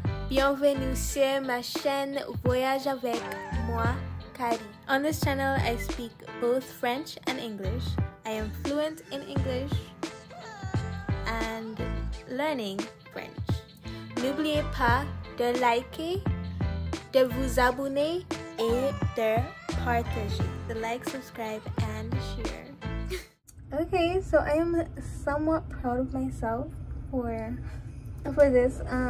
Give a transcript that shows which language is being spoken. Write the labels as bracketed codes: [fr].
[fr] Bienvenue sur ma chaîne Voyage Avec Moi Cari. [en] On this channel, I speak both French and English. I am fluent in English and learning French. [fr] N'oubliez pas de liker, de vous abonner et de partager. [en] The like, subscribe, and share. Okay, so I am somewhat proud of myself for this.